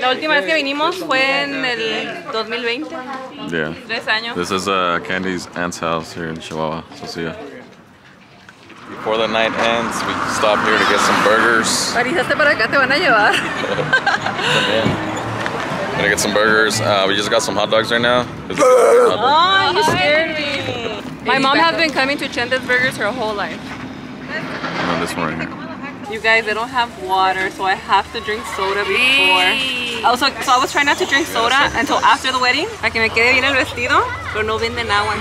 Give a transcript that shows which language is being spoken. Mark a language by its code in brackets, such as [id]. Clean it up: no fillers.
[es] La última vez que vinimos fue en el 2020. [en] Yeah. [es] 3 años. [en] This is Candy's aunt's house here in Chihuahua. So see ya. Before the night ends, we stop here to get some burgers. [es] Arizaste para acá, te van a llevar. [en] Gonna get some burgers. We just got some hot dogs right now. Oh, you scared me. My mom has been coming to Chente's Burgers her whole life. No, this one right here. You guys, they don't have water, so I have to drink soda before. I was trying not to drink soda until after the wedding. [es] Para que me quede bien el vestido, pero no venden agua.